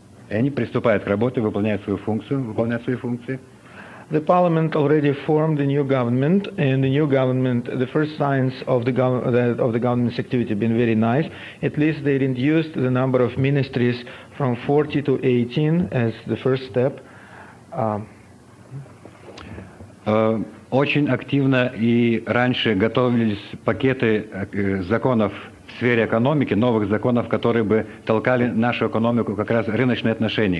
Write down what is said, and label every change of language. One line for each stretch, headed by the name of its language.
Russian: И они приступают к работе, выполняют свои функции.
English: The parliament already formed the new government, and the new government, the first signs of the government's activity have been very nice. At least they reduced the number of ministries from 40 to 18 as the first step.
Russian: Очень активно и раньше готовились пакеты законов в сфере экономики, новых законов, которые бы толкали нашу экономику как раз рыночные отношения.